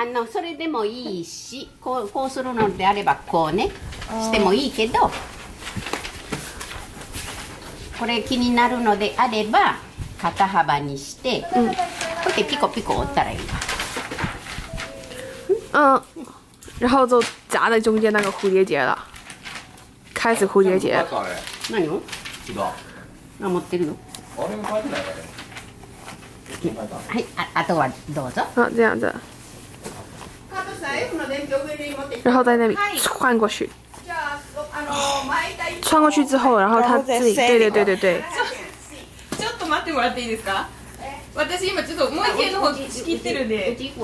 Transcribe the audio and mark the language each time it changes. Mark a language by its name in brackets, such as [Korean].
[Japanese] それでもいいし、こうするのであればこうね、してもいいけど、これ気になるのであれば肩幅にして、うん、こうやってピコピコ折ったらいいわ。 [Chinese] 然后就夹在中间那个蝴蝶结了，开始蝴蝶结。 [Japanese] 何を？違う。何持ってるの？あれも買ってないから。はい、あとはどうぞ。 [Chinese] あ、这样子。然后在那里穿过去。穿过去之后，然后他自己，对对对对对。 [Japanese] ちょっと待ってもらっていいですか？私今ちょっともう一件の方仕切ってるんで。